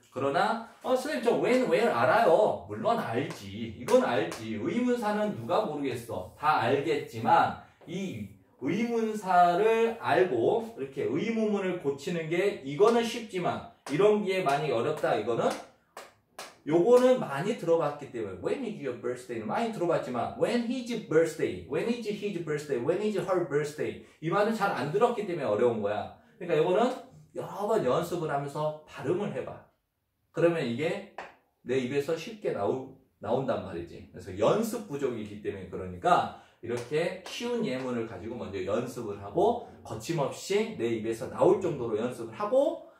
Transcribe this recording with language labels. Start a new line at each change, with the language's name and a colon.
Korean: 그러나 선생님 저 when, where 알아요. 물론 알지. 이건 알지. 의문사는 누가 모르겠어. 다 알겠지만 이 의문사를 알고 이렇게 의문문을 고치는 게 이거는 쉽지만 이런 게 많이 어렵다. 이거는 요거는 많이 들어봤기 때문에
English: When is your birthday?
Korean: 많이 들어봤지만
English: When is his birthday? When is his birthday? When is her birthday?
Korean: 이 말은 잘 안 들었기 때문에 어려운 거야. 그러니까 요거는 여러 번 연습을 하면서 발음을 해봐. 그러면 이게 내 입에서 쉽게 나온단 말이지. 그래서 연습 부족이기 때문에 그러니까 이렇게 쉬운 예문을 가지고 먼저 연습을 하고 거침없이 내 입에서 나올 정도로 연습을 하고